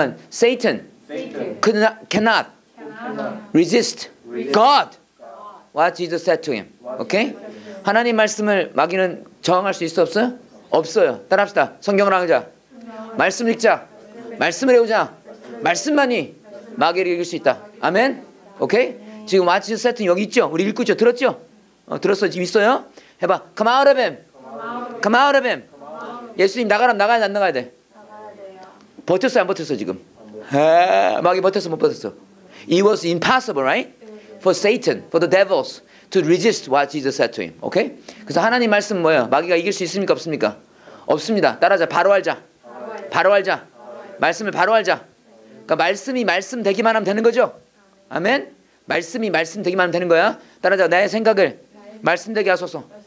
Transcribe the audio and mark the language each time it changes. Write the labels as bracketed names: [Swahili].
[English] Satan cannot resist God what Jesus said to him. Okay? [Korean] 하나님 말씀을 마귀는 저항할 수 있어 없어요? 없어요. 따라합시다. 성경을 읽자. 말씀 읽자. 말씀을 외우자. 말씀만이 마귀를 이길 수 있다. 아멘? 오케이? 지금 [English] What Jesus said to him [Korean] 여기 있죠? 우리 읽고 있죠? 들었죠? 들었어? 지금 있어요? 해봐. [English] Come out of him. Come out of him. [Korean] 예수님 나가라면 나가야 돼? 안 나가야 돼? 버텼어? 안 버텼어? 지금? 마귀 버텼어? 못 버텼어? [English] It was impossible, right? For Satan, for the devils to resist what Jesus said to him. [Korean] 오케이? 그래서 하나님 말씀 뭐예요? 마귀가 이길 수 있습니까? 없습니까? 없습니다. 따라하자. 바로 알자. 바로 알자. 말씀을 바로 알자. 그러니까 말씀이 말씀 되기만 하면 되는 거죠? 아멘? 말씀이 말씀 되기만 하면 되는 거야? 따라하자. 나의 생각을 말씀되게 하소서.